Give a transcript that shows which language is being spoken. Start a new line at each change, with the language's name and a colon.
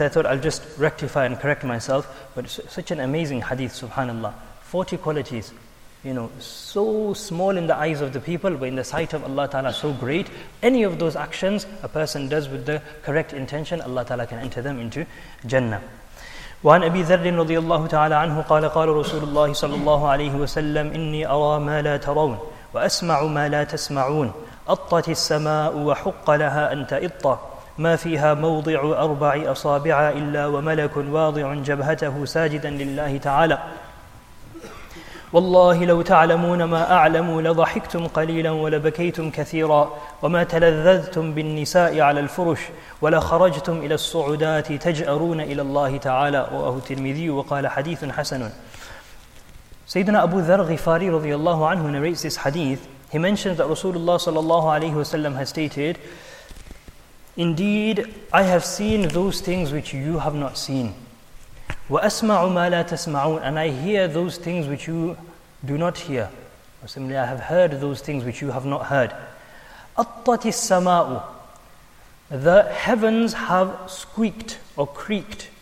English: I thought I'll just rectify and correct myself. But it's such an amazing hadith, subhanallah. 40 qualities. You know, so small in the eyes of the people, but in the sight of Allah Ta'ala, so great. Any of those actions a person does with the correct intention, Allah Ta'ala can enter them into Jannah.
Arabic: وعن أبي ذر رضي الله تعالى عنه قال قال رسول الله صلى الله عليه وسلم إني أرى ما لا ترون وأسمع ما لا تسمعون أطت السماء وحق لها أن تأط ما فيها موضع أربع أصابع إلا وملك واضع جبهته ساجدا لله تعالى والله لو تعلمون ما أعلم لضحكتم قليلا ولبكيتم كثيرا وما تلذذتم بالنساء على الفرش ولخرجتم إلى الصعدات تجأرون إلى الله تعالى رواه الترمذي وقال حديث حسن. سيدنا أبو ذر غفاري رضي الله عنه
English: narrates this hadith. He mentions that Rasulullah sallallahu alayhi wasallam has stated, indeed, I have seen those things which you have not seen.
Arabic: وَأَسْمَعُ مَا لَا تَسْمَعُونَ
English: And I hear those things which you do not hear. Or similarly, I have heard those things which you have not heard.
Arabic: أَطَّتِ السَّمَاءُ
English: The heavens have squeaked or creaked.